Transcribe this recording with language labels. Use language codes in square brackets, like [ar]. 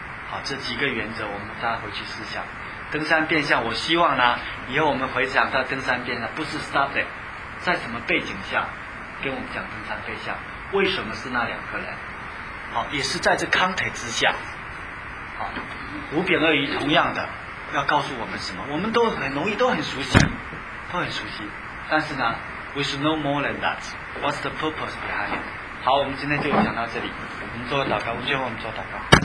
[zh] 好，这几个原则我们大家回去思想。登山变相，我希望呢，以后我们回想到登山变相，不是 study， 在什么背景下跟我们讲登山变相，为什么是那两个人？好，也是在这 context 之下。好，五饼二鱼同样的要告诉我们什么？我们都很容易，都很熟悉，都很熟悉。但是呢 [en] ，we should know more than that. What's the purpose behind it？ [zh] 好，我们今天就讲到这里。我们做个祷告，最后我们做祷告。